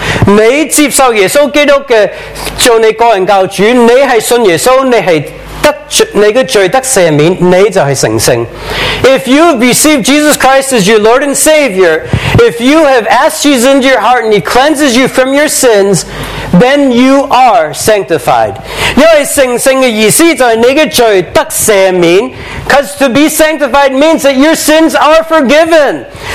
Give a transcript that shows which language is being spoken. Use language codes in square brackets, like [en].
[zh] 你接受耶稣基督的做你个人教主，你是信耶稣，你是得你的罪得赦免，你就是成圣。 [en] If you have received Jesus Christ as your Lord and Savior, if you have asked Jesus into your heart and He cleanses you from your sins, then you are sanctified. [zh] 因为成圣的意思就是你的罪得赦免, [en] because to be sanctified means that your sins are forgiven.